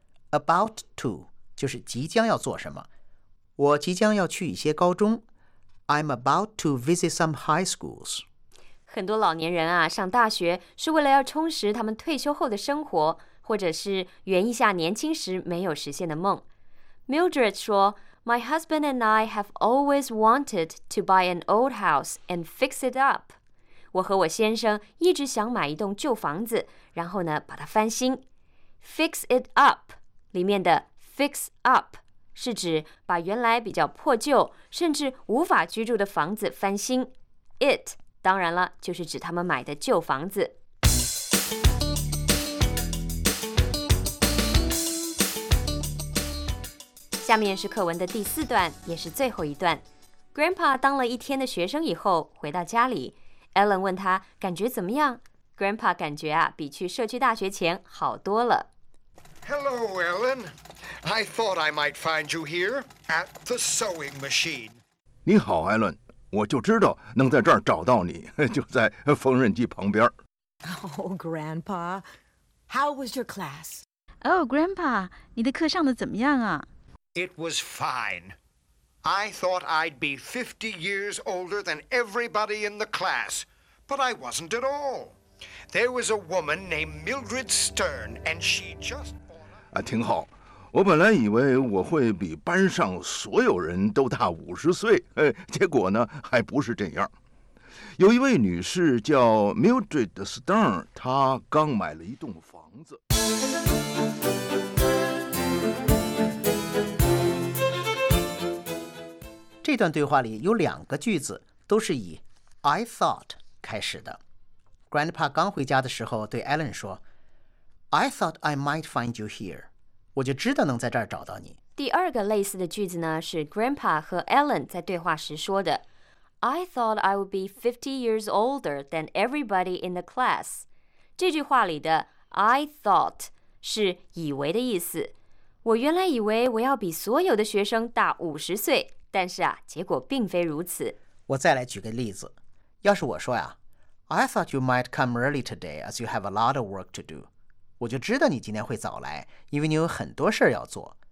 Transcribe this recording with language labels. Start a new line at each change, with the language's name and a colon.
Chinese: About to 就是即将要做什么。我即将要去一些高中。
English: I'm about to visit some high schools.
Chinese: 很多老年人啊，上大学是为了要充实他们退休后的生活，或者是圆一下年轻时没有实现的梦。
English: Mildred 说 ,My husband and I have always wanted to buy an old house and fix it up.
Chinese: 我和我先生一直想买一栋旧房子，然后呢把它翻新。 Fix it up 里面的 fix up 是指把原来比较破旧甚至无法居住的房子翻新。 It 当然了就是指他们买的旧房子。下面是课文的第四段，也是最后一段。 Grandpa 当了一天的学生以后回到家里，Ellen 问他感觉怎么样？ Grandpa 感觉啊，比去社区大学前好多了。
English: Hello, Ellen. I thought I might find you here at the sewing machine.
Chinese: 你好 ，Ellen. 我就知道能在这儿找到你，就在缝纫机旁边。
English: Oh, Grandpa. How was your class? Oh, Grandpa.
Chinese: 你的课上的怎么样啊
English: ？It was fine. I thought I'd be 50 years older than everybody in the class, but I wasn't at all. There was a woman named Mildred Stern, and she just...
Chinese: 啊，挺好。我本来以为我会比班上所有人都大50岁，结果呢，还不是这样。有一位女士叫 Mildred Stern， 她刚买了一栋房子。这段对话里有两个句子都是以 I thought 开始的。 Grandpa 刚回家的时候对 Ellen 说
English: I thought I might find you here，
Chinese: 我就知道能在这儿找到你。第二个类似的句子呢，是 Grandpa 和 Ellen 在对话时说的。
English: I thought I would be 50 years older than everybody in the class。
Chinese: 这句话里的 I thought 是以为的意思，我原来以为我要比所有的学生大50岁，但是啊，结果并非如此。我再来举个例子，要是我说呀 ，
English: I thought you might come early today as you have a lot of work to do，
Chinese: 我就知道你今天会早来，因为你有很多事要做。